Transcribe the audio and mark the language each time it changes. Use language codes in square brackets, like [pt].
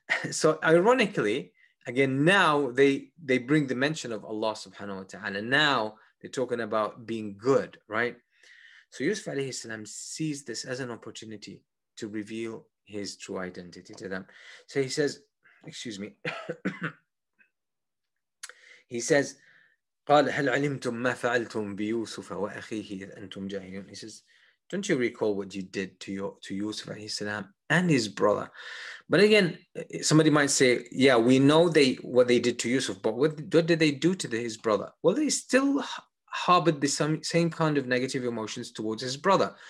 [en] So ironically, again, now they bring the mention of Allah subhanahu wa ta'ala. Now they're talking about being good, right? So Yusuf alayhi salam sees this as an opportunity to reveal his true identity to them. So he says, excuse me. He says, [ar] قال هل علمتم ما فعلتم بيوسف وأخيه إذ أنتم جاهلون. [en] He says, don't you recall what you did to Yusuf alayhi salam and his brother? But again, somebody might say, yeah, we know what they did to Yusuf, but what did they do to his brother? Well, they still harbored the same kind of negative emotions towards his brother.